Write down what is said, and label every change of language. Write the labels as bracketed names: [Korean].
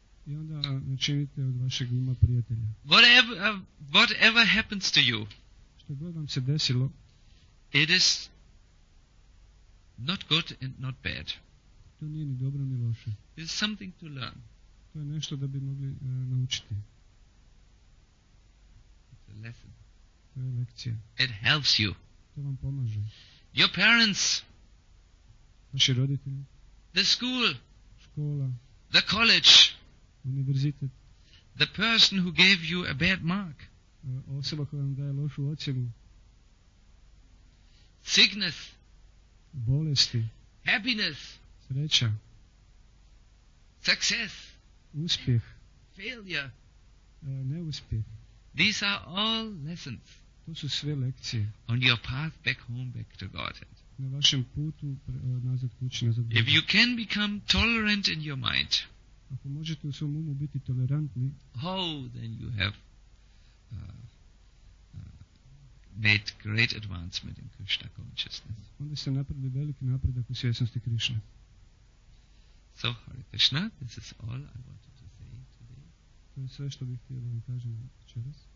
[Croatian] I onda načinite od vašeg uma prijatelja. [English] Whatever happens to you, [Croatian] što god vam se desilo, [English] it is not good and not bad. [Croatian] To nije ni dobro ni loše. [English] It's something to learn. [Croatian] To je nešto da bi mogli naučiti. [English] It's a lesson. It helps you. Your parents, [Croatian] vaši roditelji, [English] the school, [Croatian] škola, [English] the college, [Croatian] univerzitet, [English] the person who gave you a bad mark, [Croatian] osoba koja vam daje lošu ocjenu, [English] sickness, [Croatian] bolesti, [English] happiness, [Croatian] sreća, [English] success, [Croatian] uspjeh, [English] failure, [Croatian] neuspjeh. [English] These are all lessons. [Croatian] To su sve lekcije. [English] On your path back home, back to Godhead. [Croatian] Na vašem putu nazad kući, nazad Boga. [English] If you can become tolerant in your mind, [Croatian] ako možete u svom umu biti tolerantni, [English] oh, then you have made great advancement in Krishna consciousness. [Croatian] Onda ste napravili veliki napredak u svjesnosti Krishna. [English] So, Hare Krishna, this is all I wanted to say today. [Croatian] To je sve što bih htio da vam kažem večeras.